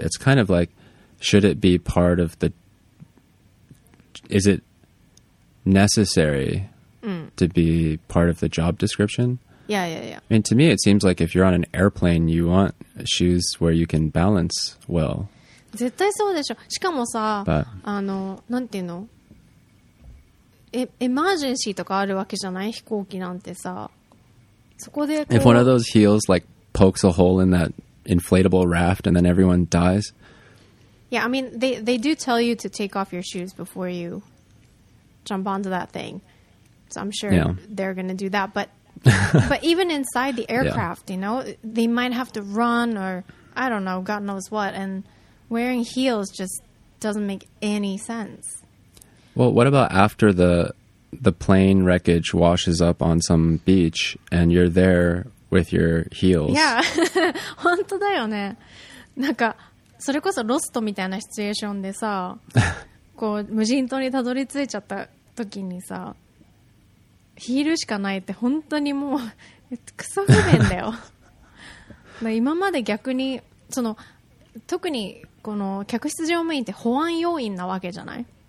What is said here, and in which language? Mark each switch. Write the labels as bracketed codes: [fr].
[en] It's kind of like, should it be part of the... Is it necessary to be part of the job description? Yeah, yeah, yeah. I mean, to me, it seems like if you're on an airplane, you want shoes where you can balance well. [ja] 絶対そうでしょ。しかもさ、 [en] but, [ja] あの、なんていうの? エマージェンシーとかあるわけじゃない?飛行機なんてさ。そこでこう、 [en] if one of those heels like pokes a hole in that inflatable raft and then everyone dies. Yeah, I mean, they do tell you to take off your shoes before you jump onto that thing. So I'm sure yeah. they're going to do that. But, but even inside the aircraft, yeah. you know, they might have to run or I don't know, God knows what. And wearing heels just doesn't make any sense. Well, what about after the plane wreckage washes up on some beach and you're there with your heels. [ja] Yeah, 本当だよね。なんかそれこそロストみたいなシチュエーションでさ、こう無人島にたどり着いちゃった時にさ、ヒールしかないって本当にもうクソ不便だよ。まあ今まで逆にその特にこの客室乗務員って保安要員なわけじゃない?